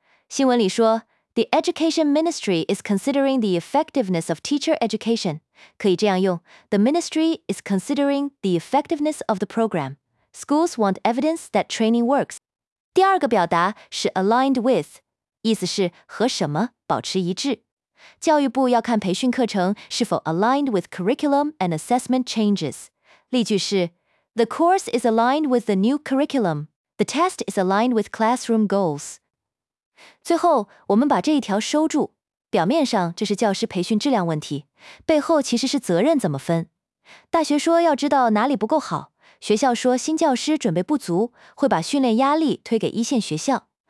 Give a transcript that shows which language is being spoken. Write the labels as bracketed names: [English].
[Chinese] 新闻里说 [English] The Education Ministry is considering the effectiveness of teacher education. [Chinese] 可以这样用 [English] The Ministry is considering the effectiveness of the program. Schools want evidence that training works. [Chinese] 第二个表达是 [English] aligned with， [Chinese] 意思是和什么保持一致。教育部要看培训课程是否 [English] aligned with curriculum and assessment changes。 [Chinese] 例句是 [English] The course is aligned with the new curriculum. The test is aligned with classroom goals. [Chinese] 最后，我们把这一条收住。表面上这是教师培训质量问题，背后其实是责任怎么分。大学说要知道哪里不够好，学校说新教师准备不足，会把训练压力推给一线学校。